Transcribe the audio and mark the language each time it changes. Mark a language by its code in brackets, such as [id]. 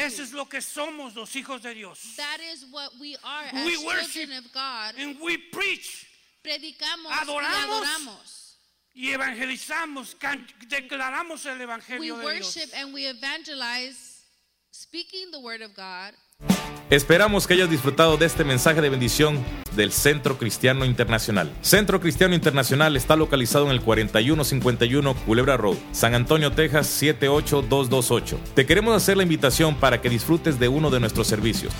[es] Eso es lo que somos, los hijos de Dios. [en] That is what we are as children of God. And we preach. [es] Predicamos adoramos y adoramos. Y evangelizamos, declaramos el evangelio de Dios. [en] We worship and we evangelize, speaking the word of God. [es] Esperamos que hayas disfrutado de este mensaje de bendición del Centro Cristiano Internacional. Centro Cristiano Internacional está localizado en el 4151 Culebra Road, San Antonio, Texas 78228. Te queremos hacer la invitación para que disfrutes de uno de nuestros servicios.